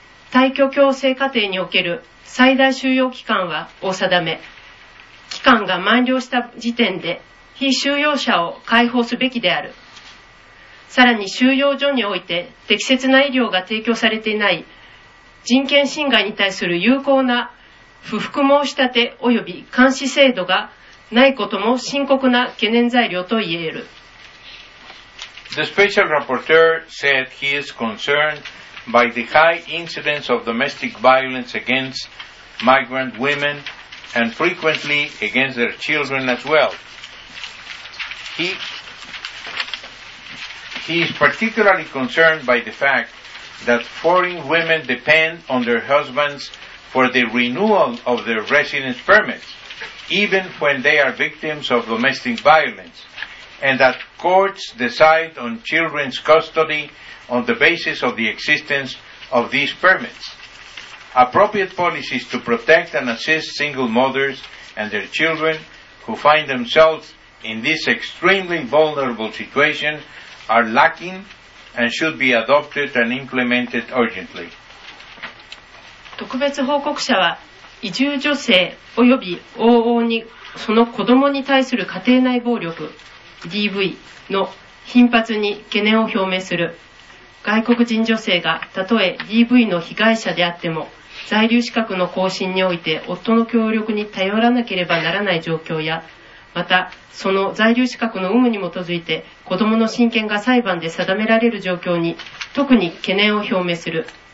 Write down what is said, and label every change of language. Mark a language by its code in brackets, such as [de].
[ja] 退去強制過程における最大収容期間はお定め、期間が満了した時点で非収容者を解放すべきである。さらに収容所において適切な医療が提供されていない人権侵害に対する有効な不服申し立て及び監視制度がないことも深刻な懸念材料と言える。 [en] The special rapporteur said he is concerned by the high incidence of domestic violence against migrant women and frequently against their children as well. He is particularly concerned by the fact that foreign women depend on their husbands for the renewal of their residence permits, even when they are victims of domestic violence, and that courts decide on children's custody on the basis of the existence of these permits. Appropriate policies to protect and assist single mothers and their children who find themselves in this extremely vulnerable situation are lacking and should be adopted and implemented urgently. [ja] 特別報告者は移住女性及び往々にその子どもに対する家庭内暴力 DV の頻発に懸念を表明する。外国人女性がたとえ DV の被害者であっても在留資格の更新において夫の協力に頼らなければならない状況や、またその在留資格の有無に基づいて子どもの親権が裁判で定められる状況に特に懸念を表明する。